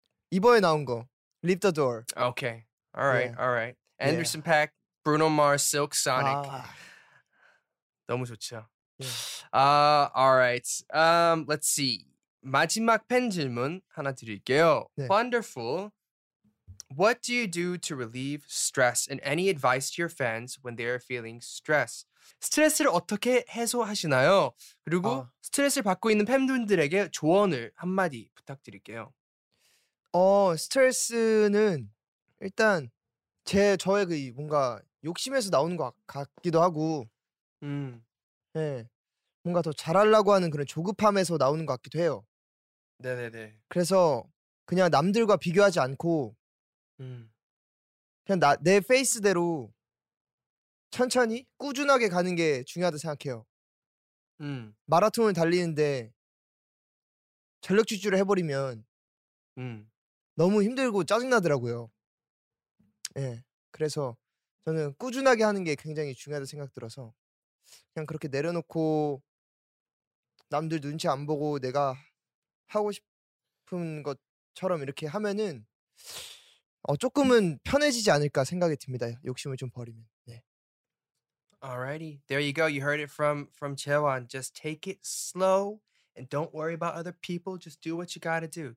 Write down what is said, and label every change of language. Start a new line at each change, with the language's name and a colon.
Korean: 이번에 나온 거. Leave the Door.
English: Okay. All right. 네. All right. Anderson yeah. Paak, Bruno Mars, Silk Sonic. 아.
Korean: 너무 좋죠.
English: Yeah. All right. Let's see.
Korean: 마지막 팬 질문 하나 드릴게요.
English: 네. Wonderful. What do you do to relieve stress? And any advice to your fans when they are feeling stressed?
Korean: 스트레스를 어떻게 해소하시나요? 그리고 스트레스를 받고 있는 팬분들에게 조언을 한마디 부탁드릴게요. 스트레스는 일단 저의 그 뭔가 욕심에서 나오는 것 같기도 하고 네, 뭔가 더 잘하려고 하는 그런 조급함에서 나오는 것 같기도 해요. 네네네. 그래서 그냥 남들과 비교하지 않고 그냥 내 페이스대로 천천히 꾸준하게 가는 게 중요하다 생각해요. 마라톤을 달리는데 전력질주를 해버리면 너무 힘들고 짜증나더라고요. 예, 네, 그래서 저는 꾸준하게 하는 게 굉장히 중요하다 생각 들어서 그냥 그렇게 내려놓고 남들 눈치 안 보고 내가 하고 싶은 것처럼 이렇게 하면은 조금은 편해지지 않을까 생각이 듭니다. 욕심을 좀 버리면. 네.
English: Alrighty, there you go. You heard it from Jaewon. Just take it slow and don't worry about other people. Just do what you gotta do.